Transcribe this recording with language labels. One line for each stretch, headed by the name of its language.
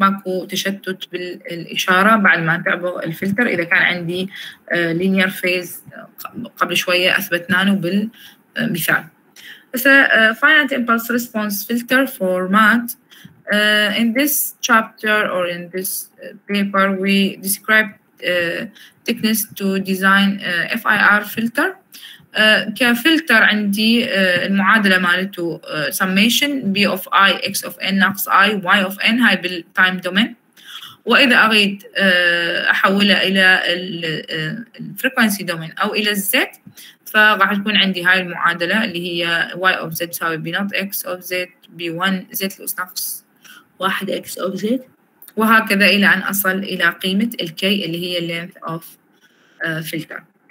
Arabic: ماكو تشتت بالإشارة بعد ما تعبر الفلتر إذا كان عندي linear phase. قبل شوية أثبتنا له بالمثال.
English: بس finite impulse response filter format. In this chapter or in this paper we describe thickness to design FIR filter.
Arabic: كفلتر عندي المعادلة مالته summation B of I X of N ناقص I Y of N، هاي بالتايم دومين. وإذا أريد أحولها إلى الفريكونسي دومين أو إلى Z، فراح تكون عندي هاي المعادلة اللي هي Y of Z تساوي B not X of Z B1 Z لأس ناقص 1 X of Z، وهكذا إلى أن أصل إلى قيمة الكي اللي هي
English: length of filter.